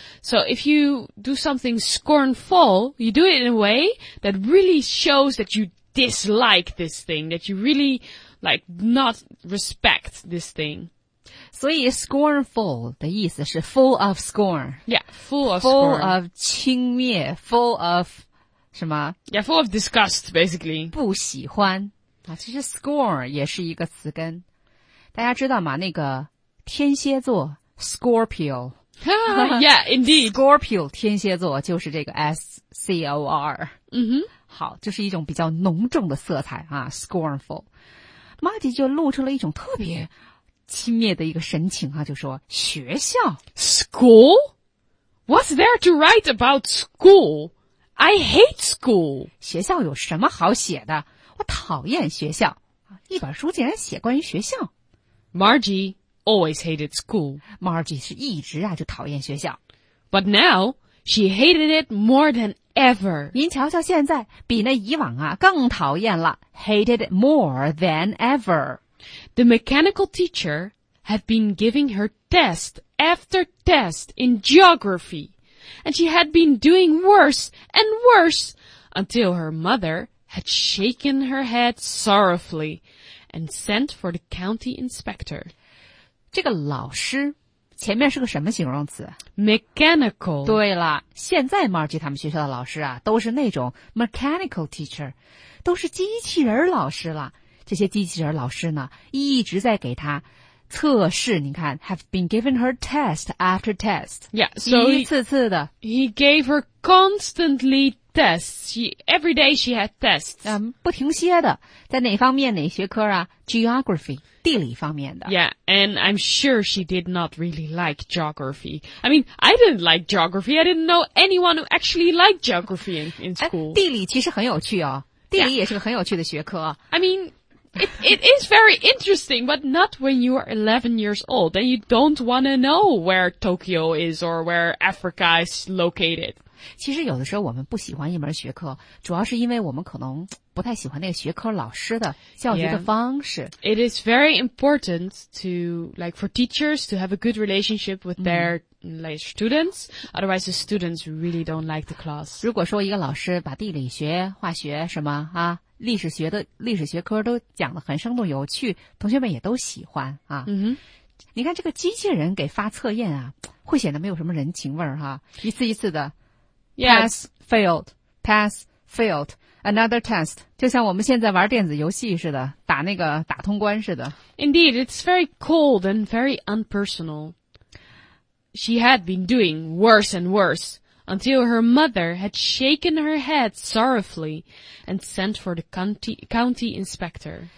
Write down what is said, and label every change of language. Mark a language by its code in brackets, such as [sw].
[en] So if you do something scornful, you do it in a way that really shows that you dislike this thing, that you really, like, not respect this thing. [zh] 所以 scornful 的意思是 [en] full of scorn. Yeah, full of full scorn. Full of [zh] 轻蔑, [en] full of... [zh] 什么 [en] Yeah, full of disgust, basically. [zh] 不喜欢。其实 scorn 也是一个词根。大家知道吗那个天蝎座 ,Scorpio. [en] Yeah, indeed. [zh] Scorpio, 天蝎座就是这个 S-C-O-R.、 Mm-hmm. 好就是一种比较浓重的色彩啊 ,scornful. Marty 就露出了一种特别轻蔑的一个神情啊就说学校。 [en] School? What's there to write about school?I hate school. [zh] 学校有什么好写的?我讨厌学校。一本书竟然写关于学校。 [en] Margie always hated school. [zh] Margie 是一直啊就讨厌学校。 [en] But now, she hated it more than ever. [zh] 您瞧瞧现在比那以往啊更讨厌了。 [en] Hated it more than ever. The mechanical teacher had been giving her test after test in geography. And she had been doing worse and worse until her mother had shaken her head sorrowfully and sent for the county inspector. [zh] 这个老师前面是个什么形容词 [en] ?Mechanical. [zh] 对了，现在 Margie 他们学校的老师啊都是那种 [en] mechanical teacher, [zh] 都是机器人老师了。这些机器人老师呢一直在给他测试，你看 , [en] have been giving her test after test. Yeah, so, [zh] 一次次的。 [en] He gave her constantly tests. Every day she had tests. [zh] 不停歇的。在哪方面哪学科啊 ?geography, 地理方面的。 [en] Yeah, and I'm sure she did not really like geography. I mean, I didn't like geography. I didn't know anyone who actually liked geography in school. [zh] 地理其实很有趣哦。地理也是个很有趣的学科。 [en] Yeah. I mean,It is very interesting, but not when you are 11 years old and you don't want to know where Tokyo is or where Africa is located. [zh] 其实有的时候我们不喜欢一门学科，主要是因为我们可能不太喜欢那个学科老师的教学的方式。 [en] Yeah. It is very important to, like, for teachers to have a good relationship with their, like, students. Otherwise, the students really don't like the class. [zh] 如果说一个老师把地理学、化学什么啊历史学的历史学科都讲得很生动有趣，同学们也都喜欢啊。嗯哼，你看这个机器人给发测验啊，会显得没有什么人情味儿哈、啊。一次一次的 [en] ，pass failed pass failed another test， [zh] 就像我们现在玩电子游戏似的，打那个打通关似的。 [en] Indeed, it's very cold and very unpersonal. She had been doing worse and worse. Until her mother had shaken her head sorrowfully and sent for the county inspector.